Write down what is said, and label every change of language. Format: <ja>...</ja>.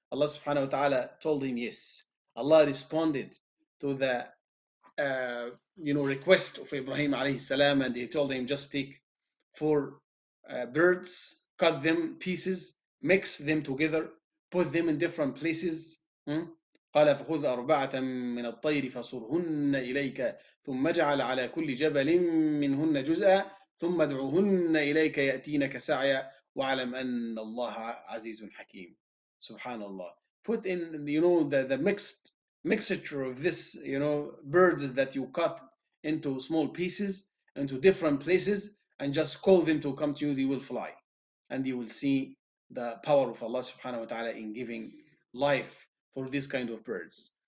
<en>Allah subhanahu wa ta'ala told him yes. Allah responded to the request of Ibrahim alayhi salam, and he told him, just take four birds, cut them pieces, mix them together, put them in different places.</en> <ar>قال فخذ أربعة من الطير فصرهن إليك ثم اجعل على كل جبل منهن جزءا ثم ادعوهن إليك يأتينك سعيا وعلم أن الله عزيز حكيم. سبحان الله.</ar> <en>Put in, the mixture of this, birds that you cut into small pieces, into different places, and just call them to come to you, they will fly. And you will see the power of Allah subhanahu wa ta'ala in giving life for these kind of birds.</en>